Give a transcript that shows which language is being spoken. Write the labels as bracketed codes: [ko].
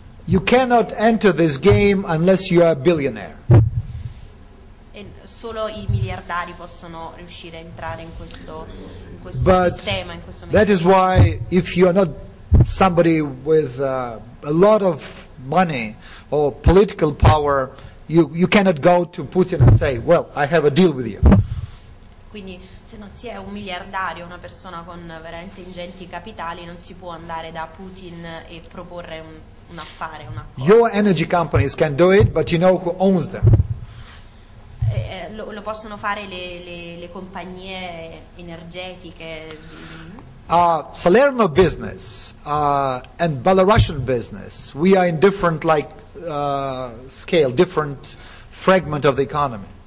[en] You cannot enter this game unless you are a billionaire. [it] Solo i miliardari possono riuscire a entrare in questo sistema. [en] That is why if you are not somebody with a lot of money or political power, you cannot go to Putin and say, well, I have a deal with you. [it] Quindi se non si è un miliardario, una persona con veramente ingenti capitali, non si può andare da Putin e proporre un affare, un accordo. [en] Your energy companies can do it, but you know who owns them. [it] Lo possono fare le compagnie energetiche. [en] Salerno business and Belarusian business, we are in different scale, different fragment of the economy.